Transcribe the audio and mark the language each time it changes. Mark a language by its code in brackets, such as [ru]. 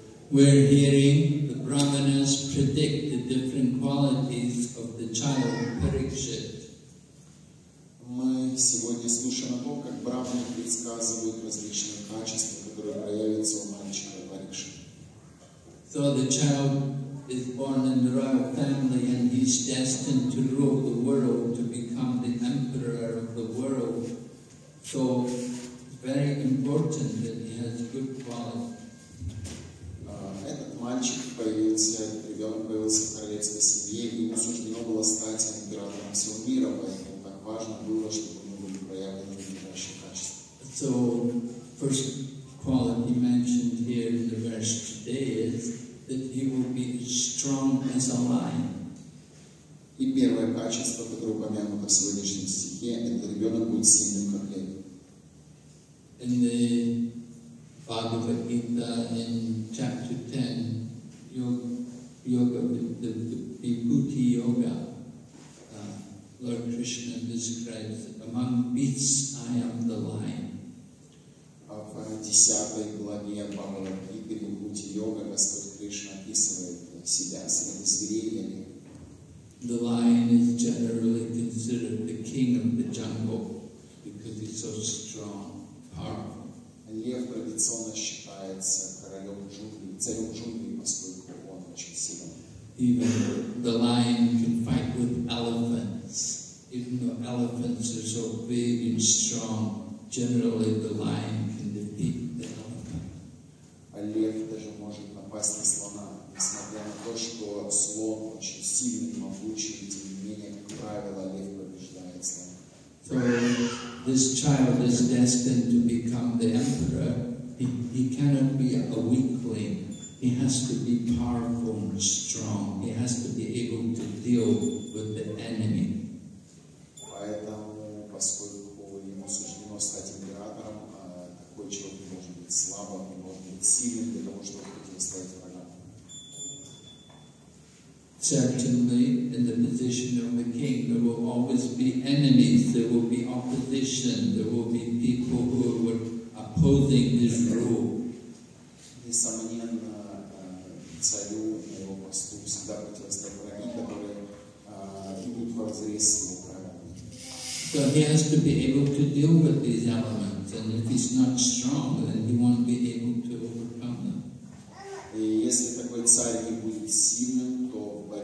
[en] We're hearing the Brahmanas predict the different qualities of the child Parikshit. [ru] Мы сегодня слушаем о том, как Брахманы предсказывают различные качества, которые проявятся у мальчика Парикшит. [en] So the child is born in the royal family and he's destined to rule the world, to become the emperor of the world. So it's very important that he has good qualities. [ru] Этот мальчик появился, ребенок появился в королевской семье, и ему суждено было стать императором всего мира, поэтому так важно было, чтобы у него были проявлены наилучшие качества. [en] So, first quality mentioned here in the verse today is that he will be strong as a lion. [ru] И первое качество, которое упомянуто в сегодняшнем стихе, это ребенок будет сильным, как лев. [en] Bhagavad Gita in chapter 10, the Vibhuti Yoga, Lord Krishna describes that among beasts I am the lion. [ru] В 10 главе Бхагавад Гиты Вибхути Йога Господь Кришна описывает себя среди зверей. [en] The lion is generally considered the king of the jungle because he's so strong, powerful. [ru] Лев традиционно считается королем джунглей, царем джунглей, поскольку он очень силен. [en] Even the lion can fight with elephants. Even though elephants are so big and strong, generally the lion can defeat the elephant. [ru] А лев даже может напасть на слона, несмотря на то, что слон очень сильный, могучий, тем не менее, как правило, лев побеждает слона. [en] So this child is destined to become the emperor. He cannot be a weakling. He has to be powerful and strong. He has to be able to deal with the enemy. [ru] Поэтому, поскольку ему суждено стать императором, такой человек не может быть слабым, не может быть сильным для того, чтобы противостоять врагам. [en] Certainly, in the position of the king, there will always be enemies, there will be opposition, there will be people who are opposing his rule. [ru] Несомненно, царю на его посту всегда противостоят враги, которые идут вразрез с его правилами. [en] So he has to be able to deal with these elements, and if he's not strong, then he won't be able to overcome them. [ru] И если такой царь не будет сильным, то